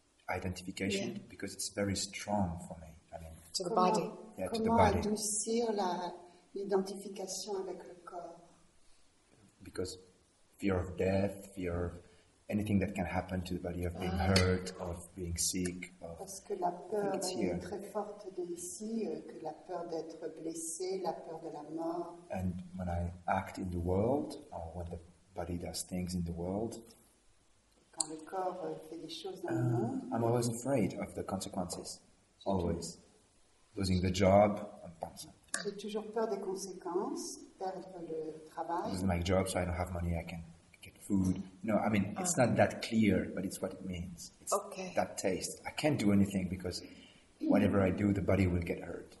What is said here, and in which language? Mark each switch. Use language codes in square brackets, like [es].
[en] Identification, yeah. Because it's very strong for me. I mean, to the body. Yeah, to the body. [fr] Comment adoucir l'identification avec le corps? [en] Because fear of death, fear of anything that can happen to the body, of being hurt, of being sick, of. [fr] Parce que la peur est très forte d'ici, que la peur d'être blessé, la peur de la mort. [en] And when I act in the world, or when the body does things in the world. [fr] Quand le corps fait des choses dans le monde. [en] I'm always afraid of the consequences. Always. Losing the job. [fr] J'ai toujours peur des conséquences, perdre le travail. [en] Losing my job, so I don't have money, I can. Food. No, I mean, it's not that clear, but it's what it means. It's okay. That taste. I can't do anything because whatever I do, the body will get hurt.